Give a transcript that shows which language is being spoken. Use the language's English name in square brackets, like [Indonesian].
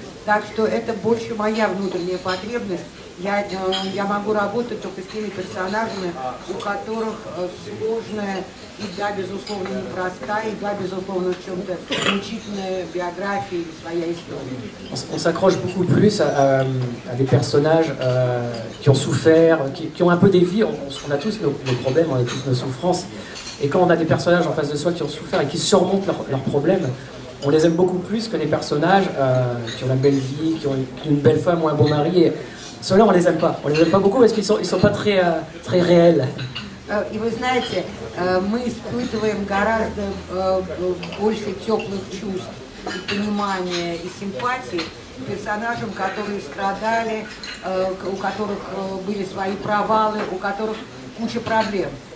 [Russian] Так что это больше моя внутренняя потребность. Я могу работать только с теми персонажами, у которых сложная и, да, безусловно, непростая, и, да, безусловно, в чем-то мучительная биография или своя история. [French] On s'accroche beaucoup plus à des personnages qui ont souffert, qui ont un peu des vies. On a tous nos problèmes, on a tous nos souffrances. Et quand on a des personnages en face de soi qui ont souffert et qui surmontent leurs problèmes, on les aime beaucoup plus que les personnages qui ont la belle vie, qui ont une belle femme ou un beau mari. Et ceux-là, on les aime pas. On les aime pas beaucoup parce qu'ils sont pas très très réels. [Russian] И вы знаете, мы испытываем гораздо больше теплых чувств, и понимания и симпатии к персонажам, которые страдали, у которых были свои провалы, у которых куча проблем.